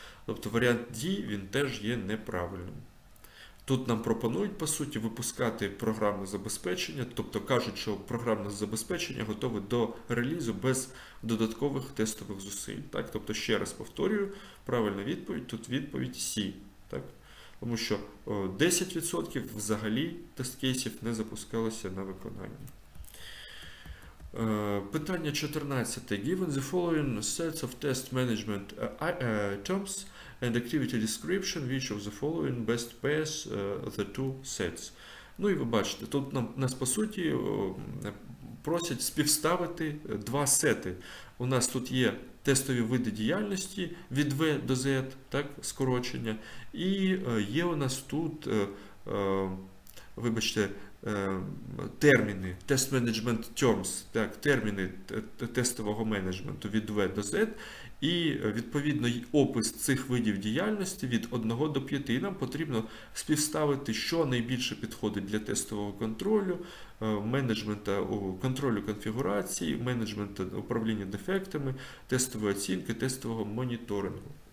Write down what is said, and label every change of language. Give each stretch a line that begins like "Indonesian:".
Ukrainian: Тобто варіант D, він теж є неправильним. Тут нам пропонують, по суті, випускати програмне забезпечення, тобто кажуть, що програмне забезпечення готове до релізу без додаткових тестових зусиль. Так? Тобто, ще раз повторюю, правильна відповідь, тут відповідь C. Так? Тому що 10% взагалі тест-кейсів не запускалося на виконання. Питання 14.
English: Given the following sets of test management terms and activity description, which of the following best pairs the two sets?
Ukrainian: Ну і ви бачите, тут нас по суті просять співставити два сети. У нас тут є тестові види діяльності від V до Z, так, скорочення. І є у нас тут, вибачте, терміни,
English: test management terms,
Ukrainian: так, терміни тестового менеджменту від V до Z, і відповідно опис цих видів діяльності від 1 до 5. І нам потрібно співставити, що найбільше підходить для тестового контролю, менеджмента контролю конфігурації, менеджмента управління дефектами, тестової оцінки, тестового моніторингу.